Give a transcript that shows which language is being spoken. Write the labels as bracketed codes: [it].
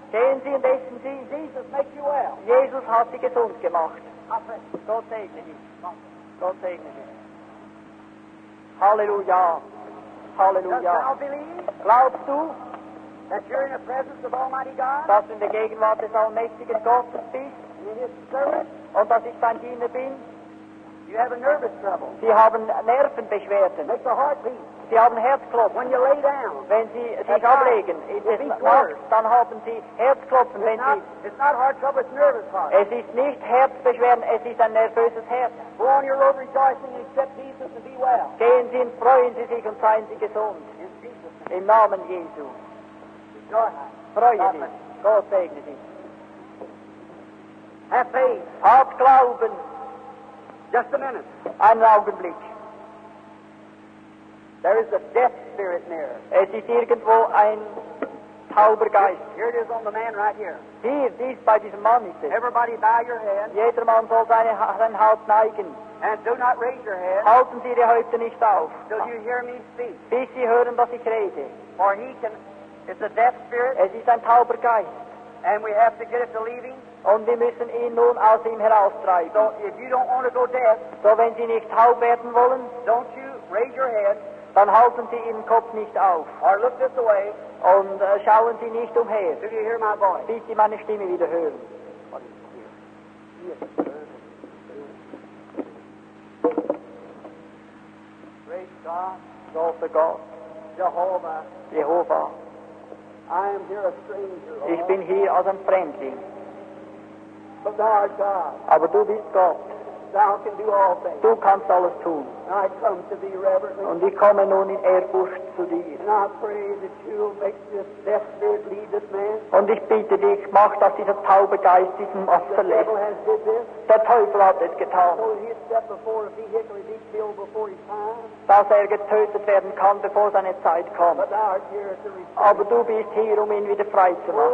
[de] Gehen Sie und essen Sie. [en] Jesus make you well. [de] Jesus hat Sie gesund gemacht. Amen. Gott segne dich. Gott segne dich. Halleluja. Halleluja. [en] Dost thou believe? [de] Glaubst du? [en] That you're in the presence of Almighty God? [de] Dass du in der Gegenwart des Allmächtigen Gottes bist? [en] In his service? [de] Und dass ich dein Diener bin? [en] You have a nervous trouble. [de] Sie haben Nervenbeschwerden. [en] Make the heart beat. [de] Sie haben Herzklopfen. [en] When you lay down, [de] wenn Sie sich ablegen, dann haben Sie Herzklopfen. [en] It's, [de] wenn [en] not, [de] Sie, [en] it's not heart trouble, it's nervous heart. [de] Es ist nicht Herzbeschwerden, es ist ein nervöses Herz. [en] Go on your road rejoicing and accept Jesus and be well. [de] Gehen Sie und freuen Sie sich und seien Sie gesund. [en] In Jesus. [de] Im Namen Jesu. Freue dich. Gott segne dich. [en] Have faith. [de] Hab Glauben. [en] Just a minute. [de] Einen Augenblick. [en] There is a death spirit near. [de] Es ist irgendwo ein tauber Geist. [en] Here it is on the man right here. [de] Hier, dies bei diesem Mann ist es. [en] Everybody bow your head. [de] Jeder Mann soll sein Haupt neigen. [en] And do not raise your head. [de] Halten Sie Ihre Häupter nicht auf. [en] Till you hear me speak. [de] Bis Sie hören, was ich rede. [en] For he can, it's a death spirit. [de] Es ist ein tauber Geist. [en] And we have to get it to leave him. [de] Und wir müssen ihn nun aus ihm heraustreiben. [en] So if you don't want to go deaf. [de] So wenn Sie nicht taub werden wollen. [en] Don't you raise your head. [de] Dann halten Sie Ihren Kopf nicht auf. [en] Or look this way. [de] Und schauen Sie nicht umher. [en] Do you hear my voice? [de] Bis Sie meine Stimme wieder hören. [en] Praise God. Lord God. Jehovah. Jehovah. I am here a stranger, Lord. [de] Ich bin hier als ein Fremdling. [en] But thou art God. [de] Aber du bist Gott. [en] Thou can do all things. [de] Du kannst alles tun. [en] I come to thee reverently. [de] Und ich komme nun in Ehrfurcht zu dir. [en] And I pray that you will make this death spirit leave this man. [de] Und ich bitte dich, mach, dass dieser taube Geist diesen Mann verlässt. [en] The devil has did this. [de] Der Teufel hat es getan. [en] So he'd step before a vehicle, he'd be killed before his time. [de] Dass er getötet werden kann, bevor seine Zeit kommt. [en] But thou art here to receive. [de] Aber du bist hier, um ihn wieder frei zu machen.